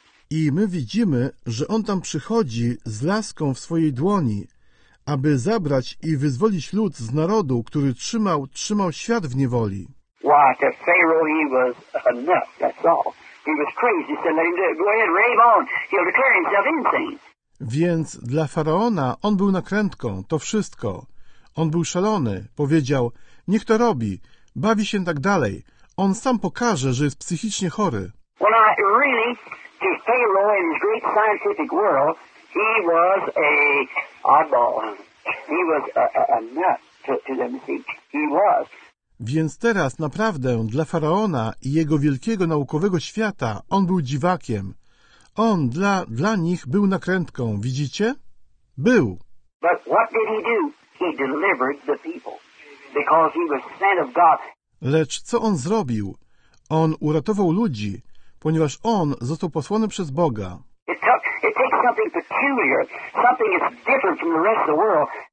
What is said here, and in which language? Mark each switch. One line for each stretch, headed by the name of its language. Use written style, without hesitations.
Polish: I my widzimy, że on tam przychodzi z laską w swojej dłoni, aby zabrać i wyzwolić lud z narodu, który trzymał świat w niewoli.
English: Why, to Pharaoh, he was enough, that's all. He was crazy. He said, "Let him do it. Go ahead, rave on. He'll declare himself insane."
Polish: Więc dla faraona on był nakrętką. To wszystko. On był szalony. Powiedział: "Niech to robi. Bawi się tak dalej. On sam pokaże, że jest psychicznie chory."
English: Well, not really, to Pharaoh in his great scientific world, he was a oddball. He was a nut to them. He was.
Polish: Więc teraz naprawdę dla faraona i jego wielkiego naukowego świata on był dziwakiem. On dla nich był nakrętką, widzicie? Był.
English: But what did he do? He delivered the people because he was sent of God.
Polish: Lecz co on zrobił? On uratował ludzi, ponieważ on został posłany przez Boga.
English: It takes something peculiar, something that's different from the rest of the world.